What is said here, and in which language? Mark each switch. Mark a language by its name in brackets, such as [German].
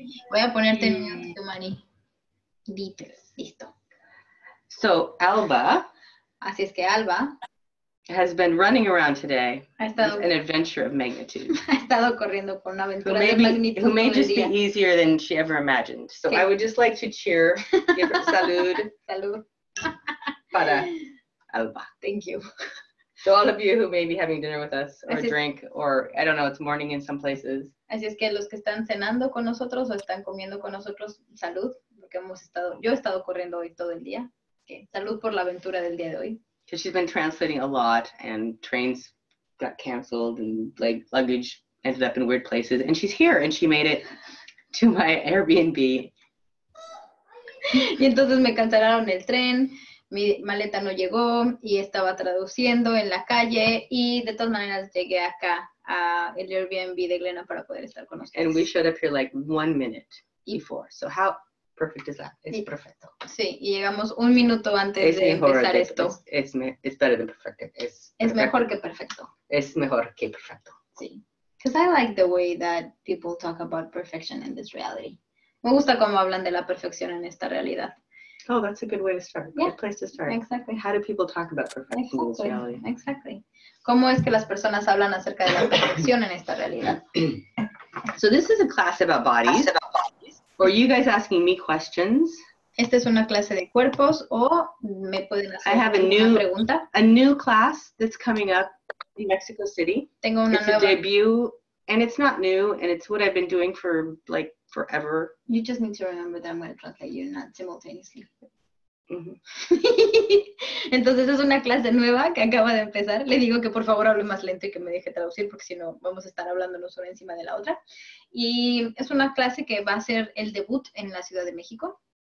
[Spanish] Voy a ponerte en mute, Manny. Listo. [English] So, Alba. [Spanish] Así es que Alba. [English] Has been running around today with an adventure of magnitude. [Spanish] Ha estado corriendo por una aventura de magnitud. [English] Who may just be easier than she ever imagined. So sí. I would just like to cheer, give her salud. [Spanish] Salud. Para Alba. [English] Thank you. So all of you who may be having dinner with us or a drink or, I don't know, it's morning in some places. [Spanish] Así es que los que están cenando con nosotros o están comiendo con nosotros, salud. Porque yo he estado corriendo hoy todo el día. Okay. Salud por la aventura del día de hoy. [English] Because she's been translating a lot, and trains got canceled, and like luggage ended up in weird places, and she's here, and she made it to my Airbnb. [Spanish] Y entonces me cancelaron el tren, mi maleta no llegó, y estaba traduciendo en la calle, y de todas maneras llegué acá a el Airbnb de Glenna para poder estar con ustedes. [English] And we showed up here like 1 minute before, so how... Perfect is that. It's perfecto. [Spanish] Sí, y llegamos un minuto antes de empezar esto. [English] It's better than perfect. [Spanish] Es mejor que perfecto. Es mejor que perfecto. Sí. [English] Because I like the way that people talk about perfection in this reality. [Spanish] Me gusta cómo hablan de la perfección en esta realidad. [English] Oh, that's a good way to start. Yeah. Good place to start. Exactly. How do people talk about perfection in this reality? Exactly. [Spanish] ¿Cómo es que las personas hablan acerca de la perfección en esta realidad? [English] So this is a class about bodies. Or you guys asking me questions. [Spanish] Esta es una clase de cuerpos o me pueden hacer [English] I have a new, pregunta. A new class that's coming up in Mexico City. [Spanish] Tengo una [English] it's [Spanish] nueva. [English] A debut, and it's not new, and it's what I've been doing for, like, forever. You just need to remember that I'm going to translate you, not simultaneously. Mm-hmm. [Spanish] Entonces es una clase nueva que acaba de empezar. Le digo que por favor hable más lento y que me deje traducir porque si no vamos a estar hablándonos una encima de la otra. Y es una clase que va a ser el debut en la Ciudad de México.